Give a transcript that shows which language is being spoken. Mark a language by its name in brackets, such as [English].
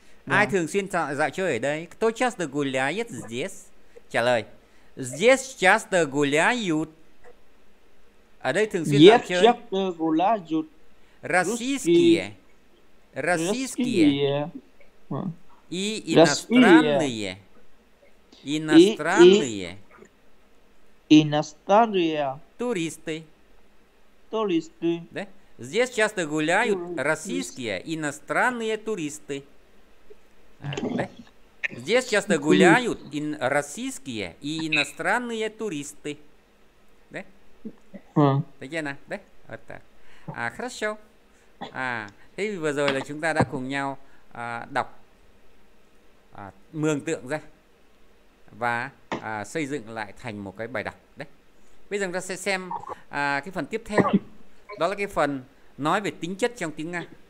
[Vietnamese] Ai thường xuyên dạo chơi ở đây? [Russian] Кто часто гуляет здесь? [Vietnamese] Trả lời. [Russian] Здесь часто гуляют. [Vietnamese] Ở đây thường xuyên dạo chơi. [Russian] Часто гуляют. Российские, российские и иностранные, иностранные, иностранные туристы, туристы. Да? Здесь часто гуляют российские иностранные туристы. Да? Здесь часто гуляют и российские и иностранные туристы. Да? Понятно? Да? Вот так. А хорошо. [Vietnamese] À, thế vừa rồi là chúng ta đã cùng nhau đọc mường tượng ra và xây dựng lại thành một cái bài đọc đấy. Bây giờ chúng ta sẽ xem cái phần tiếp theo, đó là cái phần nói về tính chất trong tiếng Nga.